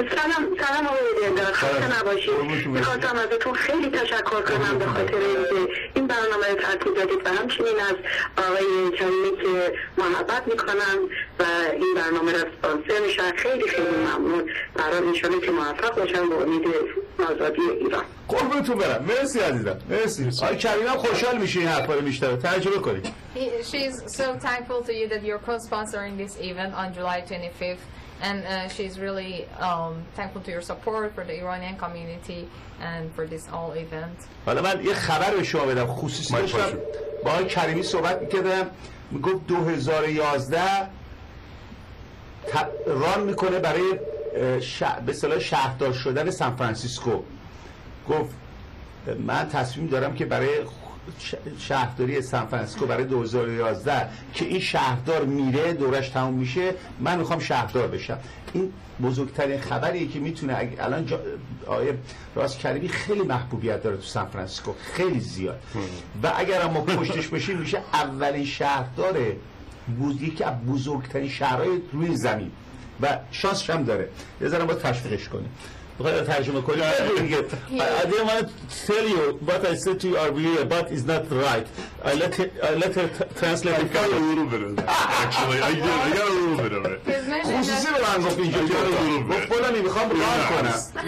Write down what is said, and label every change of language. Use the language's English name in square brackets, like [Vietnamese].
[Persian] سلام آقای دیندار، خسته نباشید. میخواستم ازتون خیلی تشکر کنم به خاطر اینکه این برنامه رو ترتیب دادید و همچنین از آقای کریمی که محبت میکنم و این برنامه رو اسپانسر میشن. خیلی خیلی ممنون. برای ان شاءالله که موفق باشن به امید آزادی ایران. قربونتون برم. مرسی عزیزم. مرسی. آقای کریمی خوشحال میشه این حرفا رو بیشتر تجربه کنید. [English] She's so thankful to you that you're co-sponsoring this event on July 25th. And she's really thankful to your support for the Iranian community and for this all event. [Persian] حالا من یه خبر به شما بدم، خصوصی داشتم با آقای کریمی صحبت می‌کردم، میگفت 2011 ران میکنه برای به اصطلاح شهردار شدن سان فرانسیسکو. گفت من تصمیم دارم که برای شهرداری سان فرانسیسکو برای 2011 که این شهردار میره، دورش تموم میشه، من میخوام شهردار بشم. این بزرگترین خبریه که میتونه الان آقای راست کریمی خیلی محبوبیت داره تو سان فرانسیسکو، خیلی زیاد. و اگر ما پشتش بشیم میشه اولین شهردار یکی از بزرگترین شهرهای روی زمین و شانسش هم داره. یه ذره باید تشویقش کنیم. بخواهی ترجمه کنیم. [English] I didn't want to tell you what I said to you earlier, but it's not right. I let her translate it for you. I got a little bit of that, actually. I got a little bit of it. [Persian] خصوصی به من گفت اینجا. [English] I got a little bit. [Persian] گفت بلا نمیخوام ران کنم.